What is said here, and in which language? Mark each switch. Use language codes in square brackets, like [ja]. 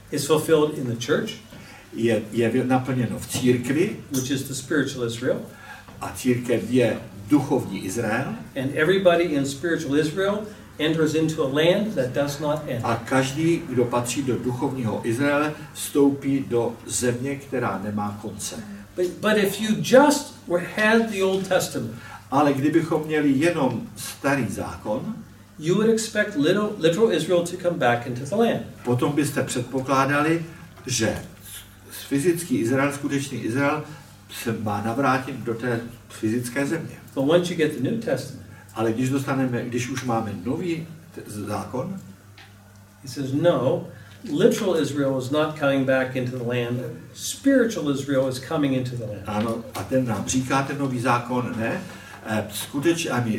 [en] It's fulfilled in the church. [cs] Je naplněno v církvi, [en] which is the spiritual Israel. [cs] A církev je duchovní Izrael. [en] And everybody in spiritual Israel enters into a land that does not end. [cs] A každý, kdo patří do duchovního Izraele, vstoupí do země, která nemá konce. [en] But if you just had the Old Testament, [cs] ale kdybychom měli jenom starý zákon, [en] you would expect literal Israel to come back into the land. [cs] Potom byste předpokládali, že fyzický Izrael, skutečný Izrael, se má navrátit do té fyzické země. [en] But once you get the New Testament, [cs] ale když už máme nový zákon, [en] he says no. Literal Israel is not coming back into the land. Spiritual Israel is coming into the land. [cs] Ano, a ten nám říká ten nový zákon, ne? Skutečně,